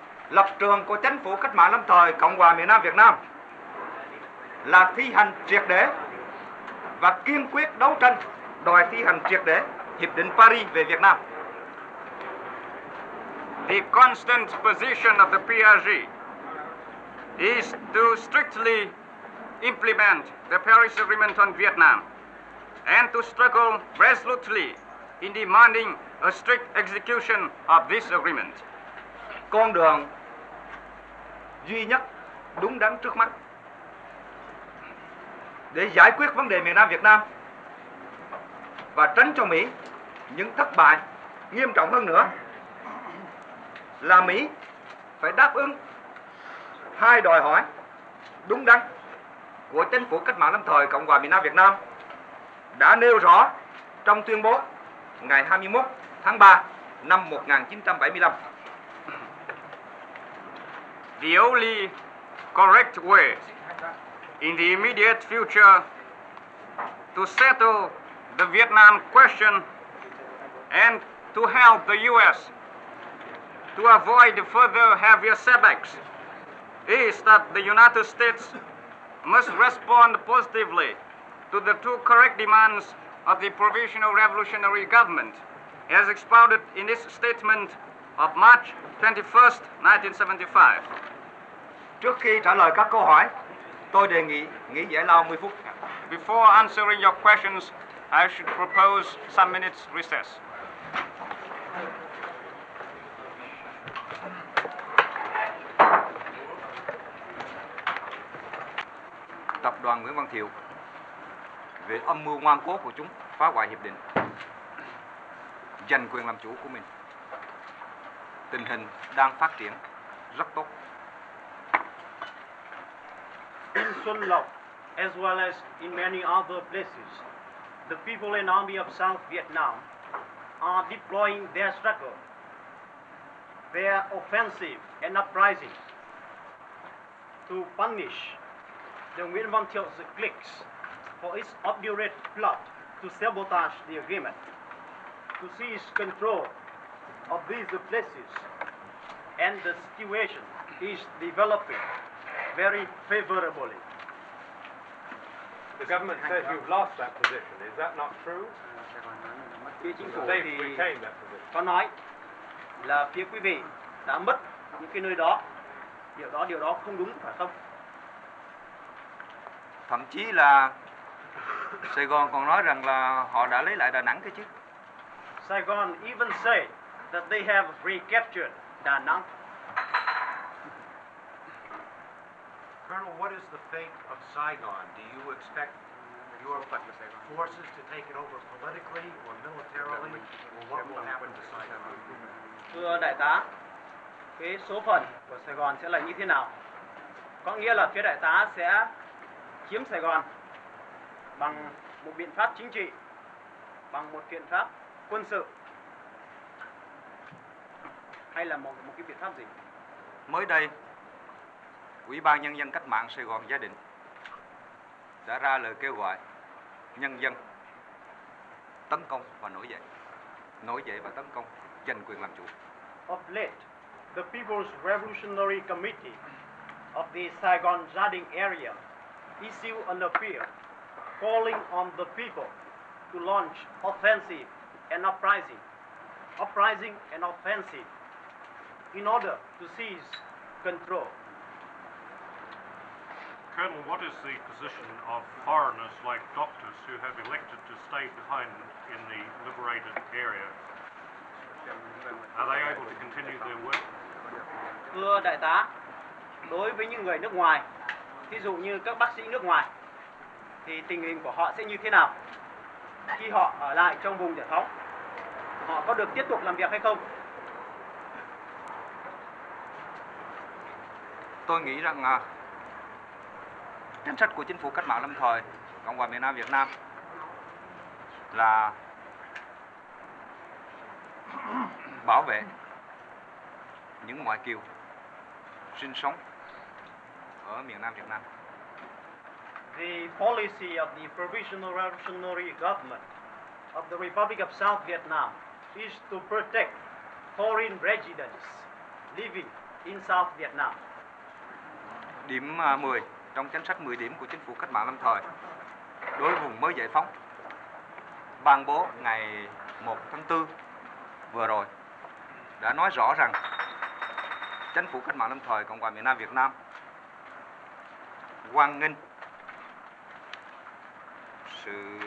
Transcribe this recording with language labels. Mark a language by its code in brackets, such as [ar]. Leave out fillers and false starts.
[vi] Lập trường của Chính phủ Cách mạng Lâm thời Cộng hòa miền Nam Việt Nam là thi hành triệt để và kiên quyết đấu tranh đòi thi hành triệt để Hiệp định Paris về Việt Nam. [en] The constant position of the PRG is to strictly implement the Paris Agreement on Vietnam and to struggle resolutely in demanding a strict execution of this agreement. [vi] Con đường duy nhất đúng đắn trước mắt để giải quyết vấn đề miền Nam Việt Nam và tránh cho Mỹ những thất bại nghiêm trọng hơn nữa là Mỹ phải đáp ứng hai đòi hỏi đúng đắn của Chính phủ Cách mạng Lâm thời Cộng hòa miền Nam Việt Nam đã nêu rõ trong tuyên bố ngày 21 tháng 3 năm 1975. [en] The only correct way in the immediate future to settle the Vietnam question and to help the U.S. to avoid further heavier setbacks is that the United States must respond positively to the two correct demands of the Provisional Revolutionary Government as expounded in its statement of March 21st, 1975. [vi] Trước khi trả lời các câu hỏi, tôi đề nghị nghỉ giải lao 10 phút. [en] Before answering your questions, I should propose some minutes recess. [vi] Tập đoàn Nguyễn Văn Thiệu về âm mưu ngoan cố của chúng phá hoại hiệp định, giành quyền làm chủ của mình. Tình hình đang phát triển rất tốt. [en] In Xuân Lộc, as well as in many other places, the people and army of South Vietnam are deploying their struggle, their offensive and uprising to punish the Nguyễn Văn Thiệu's cliques for its obdurate plot to sabotage the agreement, to seize control of these places, and the situation is developing very favorably. The government says you've lost that position. Is that not true? [vi] Phía chính phủ thì có nói là phía quý vị đã mất những cái nơi đó. Điều đó không đúng phải không? Thậm chí là Sài Gòn còn nói rằng là họ đã lấy lại Đà Nẵng cái chứ. [en] Sài Gòn even say that they have recaptured Đà Nẵng. Colonel, what is the fate of Saigon? Do you expect your forces to take it over politically or militarily? Or what will happen to Saigon? [vi] Thưa đại tá, cái số phận của Sài Gòn sẽ là như thế nào? Có nghĩa là phía đại tá sẽ chiếm Sài Gòn bằng một biện pháp chính trị, bằng một biện pháp quân sự, hay là một cái biện pháp gì? Mới đây, Ủy ban Nhân dân Cách mạng Sài Gòn Gia Định đã ra lời kêu gọi nhân dân tấn công và nổi dậy. Nổi dậy và tấn công, giành quyền làm chủ. [en] Of late, the People's Revolutionary Committee of the Saigon Gia Định area issued an appeal calling on the people to launch offensive and uprising, uprising and offensive in order to seize control. Colonel, what is the position of foreigners like doctors who have elected to stay behind in the liberated area? Are they able to continue their work? [vi] Thưa đại tá, đối với những người nước ngoài, ví dụ như các bác sĩ nước ngoài, thì tình hình của họ sẽ như thế nào khi họ ở lại trong vùng giải phóng? Họ có được tiếp tục làm việc hay không? Tôi nghĩ rằng chính sách của chính phủ cách mạng lâm thời Cộng hòa miền Nam Việt Nam là bảo vệ những ngoại kiều sinh sống ở miền Nam Việt Nam. [en] The policy of the Provisional Revolutionary Government of the Republic of South Vietnam is to protect foreign residents living in South Vietnam. [vi] Điểm 10 trong chính sách 10 điểm của chính phủ cách mạng lâm thời đối với vùng mới giải phóng ban bố ngày 1 tháng 4 vừa rồi đã nói rõ rằng chính phủ cách mạng lâm thời Cộng hòa miền Nam Việt Nam hoan nghênh sự